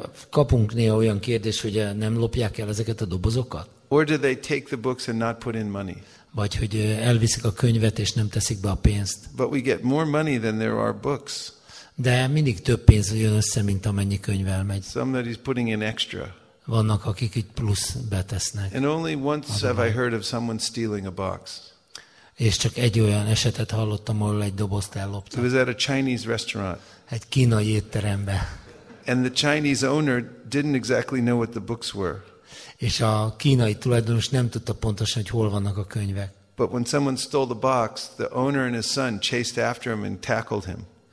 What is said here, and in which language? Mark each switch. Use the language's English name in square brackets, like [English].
[Hungarian] Kapunk néha olyan kérdés, hogy nem lopják el ezeket a dobozokat? [English] Or do they take the books and not put in money? [Hungarian] Vagy hogy elviszik a könyvet és nem teszik be a pénzt? [English] But we get more money than there are books. [Hungarian] De mindig több pénz jön össze, mint amennyi könyv elmegy. [English] Somebody's putting in extra. [Hungarian] Vannak akik itt plusz betesznek. [English] And only once have I heard of someone stealing a box. [Hungarian] És csak egy olyan esetet hallottam, ahol egy dobozt ellopta. [English] It was at a Chinese restaurant. [Hungarian] Egy kínai étterembe. [English] And the Chinese owner didn't exactly know what the books were. [Hungarian] És a kínai tulajdonos nem tudta pontosan, hogy hol vannak a könyvek. [English] But when someone stole the box, the owner and his son chased after him and tackled him.